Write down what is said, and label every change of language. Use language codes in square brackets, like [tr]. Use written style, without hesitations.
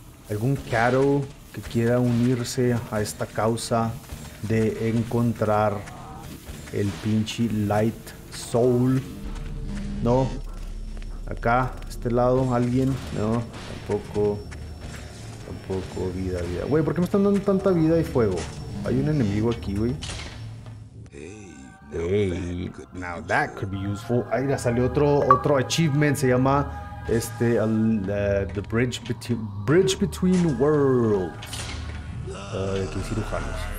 [es] ¿Algún caro que quiera unirse a esta causa de encontrar el pinche Light Soul? No. Acá, este lado, alguien. No, tampoco. Tampoco, vida, vida. Güey, ¿por qué me están dando tanta vida y fuego? Hay un enemigo aquí, güey. [en] Hey, now that could be useful. [es] Ahí ya salió otro achievement. Se llama The Bridge Between Worlds. Aquí cirujanos.